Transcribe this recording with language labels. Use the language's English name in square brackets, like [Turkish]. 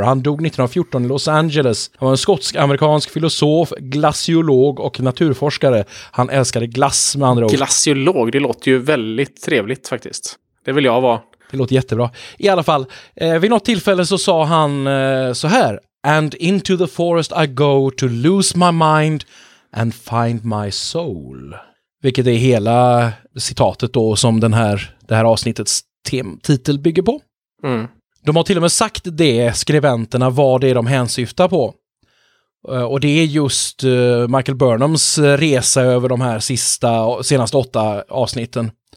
[Swedish] Han dog 1914 i Los Angeles. Han var en skotsk-amerikansk filosof, glaciolog och naturforskare. Han älskade glass med andra ord. Glaciolog, det låter ju väldigt trevligt faktiskt. Det vill jag vara. Det låter jättebra. I alla fall, vid något tillfälle så sa han så här. [English] And into the forest I go to lose my mind and find my soul. [Swedish] Vilket är hela citatet då som det här avsnittets titel bygger på. Mm. De har till och med sagt det, skribenterna, vad det är de hänsyftar på. Och det är just Michael Burnhams resa över de här senaste 8 avsnitten.